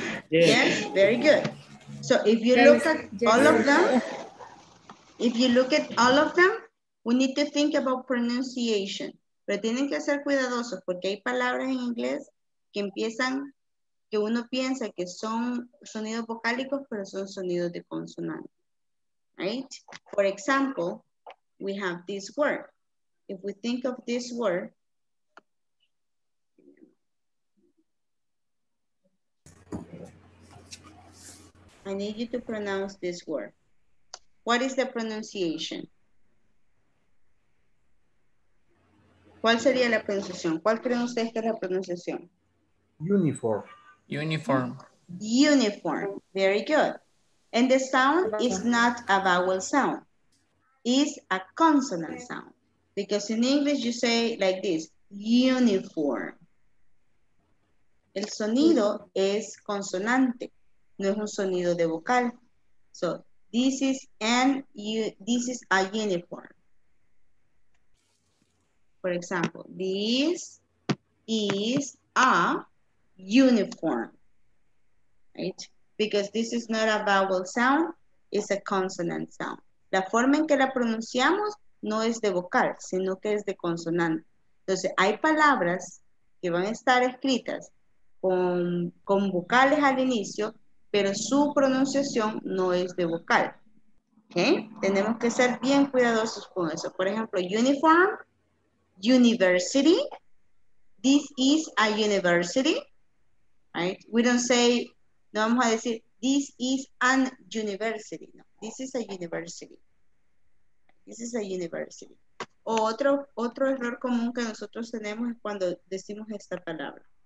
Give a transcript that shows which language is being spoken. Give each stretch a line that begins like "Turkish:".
English: Yes, very good. So if you look at all of them, we need to think about pronunciation.
Spanish: Pero tienen que ser cuidadosos porque hay palabras en inglés que empiezan, que uno piensa que son sonidos vocálicos, pero son sonidos de consonante.
English: Right? For example, we have this word. If we think of this word, I need you to pronounce this word. What is the pronunciation?
Spanish: ¿Cuál sería la pronunciación? ¿Cuál creen ustedes que es la pronunciación?
English: Uniform. Uniform. Uniform. Very good. And the sound is not a vowel sound. It's a consonant sound. Because in English you say like this, uniform.
Spanish: El sonido es consonante. No es un sonido de vocal.
English: So, this is an, this is a uniform. For example, this is a uniform. Right? Because this is not a vowel sound, it's a consonant sound.
Spanish: La forma en que la pronunciamos no es de vocal, sino que es de consonante. Entonces, hay palabras que van a estar escritas con vocales al inicio, pero su pronunciación no es de vocal.
English: ¿Okay?
Spanish: Tenemos que ser bien cuidadosos con eso. Por ejemplo, uniform, university.
English: This is a university. Right? We don't say,
Spanish: no vamos a decir,
English: this is an university. No, this is a university. This is a university.
Spanish: O otro error común que nosotros tenemos es cuando decimos esta palabra.